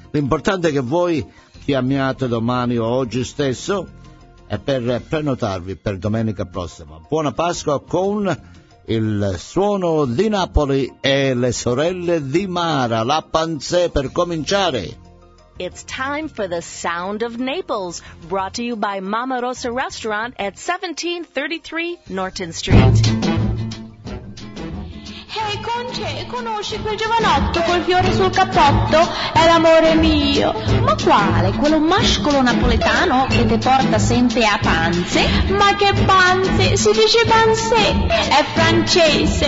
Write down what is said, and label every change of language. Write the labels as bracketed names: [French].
[Italian] L'importante è che voi chiamiate domani o oggi stesso e per prenotarvi per domenica prossima. Buona Pasqua con il suono di Napoli e le sorelle di Mara, la Panzè per cominciare. [English] It's time for the Sound of Naples, brought to you by Mama Rosa Restaurant at 1733 Norton Street. [Italian] Hey Conce, conosci quel giovanotto col fiore sul cappotto? È l'amore mio. Ma quale? Quello mascolo napoletano che te porta sempre a panze? Ma che panze? Si dice panse, è francese.